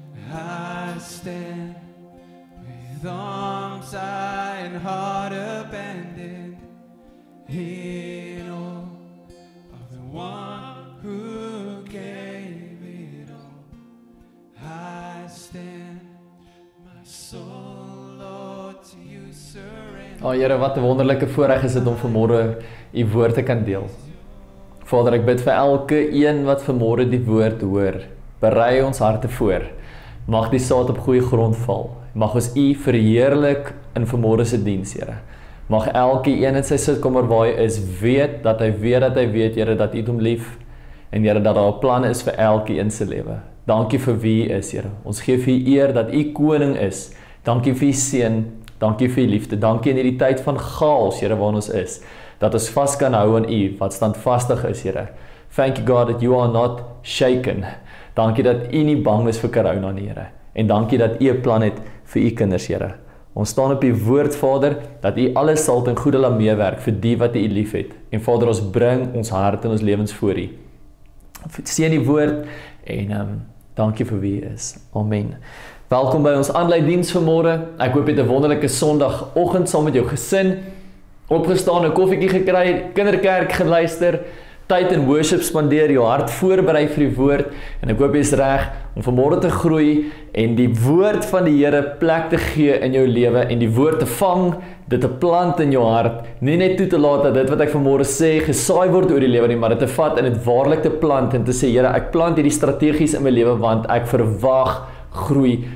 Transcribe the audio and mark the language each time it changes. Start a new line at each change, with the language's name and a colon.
English: I stand with arms high and heart abandoned in awe of the one who gave it all. I stand, my soul, Lord, to you surrender.
Afrikaans: Oh Heere, wat een wonderlijke voorrecht is het om vanmorgen die woord te kan deel. Vader, ek bid vir elke een wat vanmorgen die woord hoor. Berei ons harte voor. Mag die saad op goeie grond val. Mag ons u verheerlik in vanmorgen se diens, Heere. Mag elke een in sy sitkamer waar hy is, weet dat hy weet dat hy weet, Heere, dat u hom lief. En Heere, dat daar 'n plan is vir elke een se lewe. Dankie vir wie hy is, Heere. Ons geef u eer dat u koning is. Dankie vir u seën. Dankie vir u liefde. Dankie in hierdie tyd van chaos, Heere, waar ons is. Dat ons vast kan hou aan u wat standvastig is, Heere.
English: Thank you God that you are not shaken.
Afrikaans: Dankie dat u nie bang is vir corona nie, Heere. En dankie dat u 'n plan het vir u kinders, Heere. Ons staan op u woord, Vader, dat u alles sal ten goede laat meewerk vir die wat u lief het. En Vader, ons bring ons hart en ons lewens voor u. Seën die woord en dankie vir wie u is. Amen. Welkom by ons aanlydiens vanmôre. Ek hoop jy het 'n wonderlike Sondagoggend saam met jou gesin. Opgestaan, 'n koffietjie gekry, kinderkerk geluister, tyd in worship spandeer, jou hart voorberei vir die woord, en ek hoop jy is reg om vanmôre te groei en die woord van die Here plek te gee in jou lewe en die woord te vang, dit 'n plant in jou hart, nie net toe te laat dat dit wat ek vanmôre sê gesaai word oor die lewe nie, maar dit te vat en dit waarlik te plant en te sê Here, ek plant hierdie strategies in my lewe want ek verwag groei.